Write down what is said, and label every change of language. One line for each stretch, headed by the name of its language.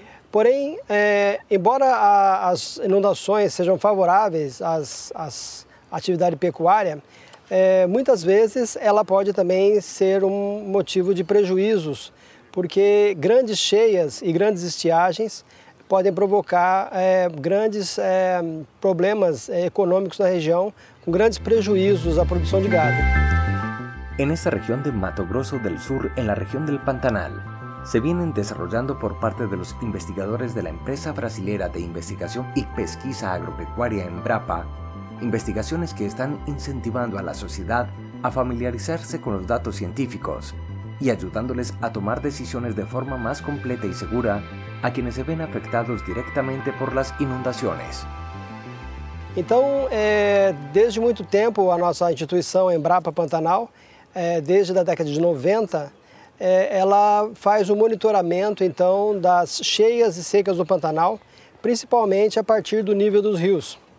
Portuguese: Porém, embora as inundações sejam favoráveis às atividade pecuária, muitas vezes ela pode também ser um motivo de prejuízos, porque grandes cheias e grandes estiagens podem provocar grandes problemas econômicos na região, com grandes prejuízos à produção de gado.
Spanish: En esta región de Mato Grosso del Sur, en la región del Pantanal, se vienen desarrollando por parte de los investigadores de la empresa brasilera de investigación y pesquisa agropecuaria Embrapa, investigaciones que están incentivando a la sociedad a familiarizarse con los datos científicos y ayudándoles a tomar decisiones de forma más completa y segura a quienes se ven afectados directamente por las inundaciones.
Portuguese: Então, desde muito tempo, a nossa instituição Embrapa Pantanal, desde a década de 90, ela faz o monitoramento, então, das cheias e secas do Pantanal, principalmente a partir do nível dos rios.